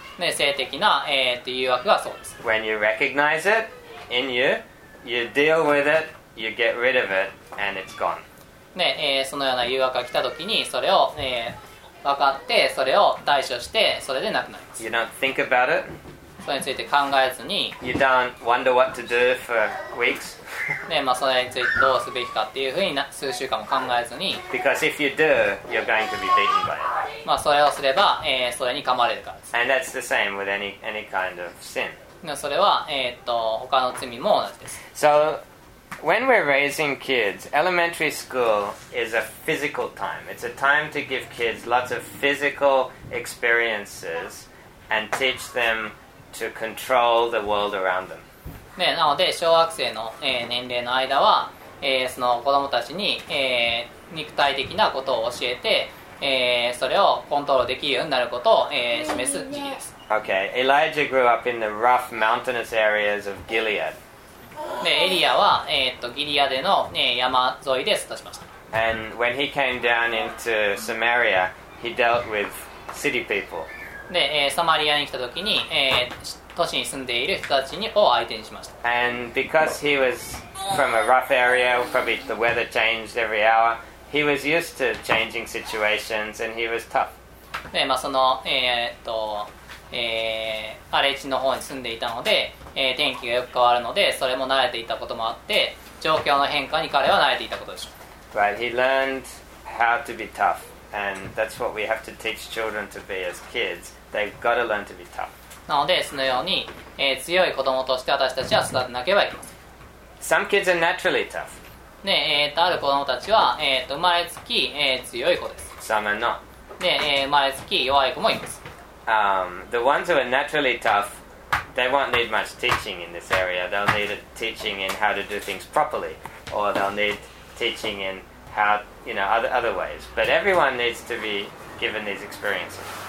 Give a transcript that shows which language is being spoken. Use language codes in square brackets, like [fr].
[ja] ね、性的な、誘惑がそうです。 [en] When you recognize it in you, you deal with it, you get rid of it, and it's gone. [ja] ね、そのような誘惑が来た時にそれを、分かって、それを対処して、それでなくなります。 [en] You don't think about it. [ja] それについて考えずに [en] You don't wonder what to do for weeks [ja] ね、まあ、それについてどうすべきかっていうふうに数週間も考えずに [en] Because if you do, you're going to be beaten by it [ja] まあ、それをすれば、それに噛まれるからです [en] And that's the same with any kind of sin [ja] それは、他の罪も同じです [en] So, when we're raising kids, elementary school is a physical time It's a time to give kids lots of physical experiencesAnd teach them to control the world around them. [ja] ね、なので小学生の、年齢の間は、その子供たちに、肉体的なことを教えて、それをコントロールできるようになることを、示す時期です。 [en] Okay, Elijah grew up in the rough mountainous areas of Gilead. [ja] で、エリアは、ギリアデの、山沿いで育ちました。 [en] And when he came down into Samaria, he dealt with city people. [ja] で、サマリアに来た時に、都市に住んでいる人たちを相手にしました。 [en] And because he was from a rough area, probably the weather changed every hour, he was used to changing situations and he was tough. [ja] で、まあ、その、荒れ地の方に住んでいたので、天気がよく変わるので、それも慣れていたこともあって、状況の変化に彼は慣れていたことでしょう。 [en] Right, he learned how to be tough. And that's what we have to teach children to be as kids. They've got to learn to be tough. [ja] なので、そのように、強い子供として私たちは育てなければいけません。 [en] Some kids are naturally tough. [ja] ね、ある子供たちは、生まれつき、強い子です。 [en] Some are not. [ja] ね、生まれつき弱い子もいます。 [en] The ones who are naturally tough, they won't need much teaching in this area. They'll need teaching in how to do things properly, or they'll need teaching in how to You know, other ways. But everyone needs to be given these experiences.